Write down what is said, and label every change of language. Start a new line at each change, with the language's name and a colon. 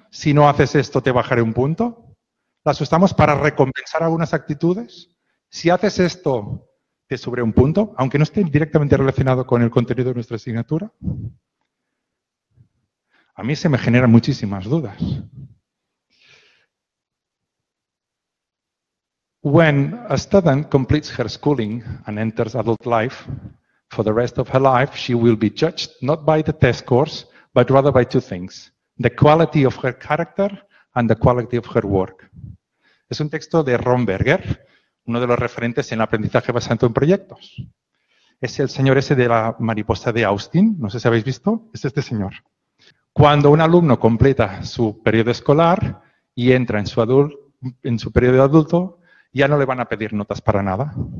Spanish: Si no haces esto, te bajaré un punto. ¿Las usamos para recompensar algunas actitudes? Si haces esto, te subiré un punto, aunque no esté directamente relacionado con el contenido de nuestra asignatura. A mí se me generan muchísimas dudas.
English: When a student completes her schooling and enters adult life, for the rest of her life, she will be judged not by the test scores, but rather by two things: the quality of her character and the Quality of Her Work.
Spanish: Es un texto de Ron Berger, uno de los referentes en el aprendizaje basado en proyectos. Es el señor ese de la mariposa de Austin, no sé si habéis visto, es este señor. Cuando un alumno completa su periodo escolar y entra en su periodo adulto, ya no le van a pedir notas para nada.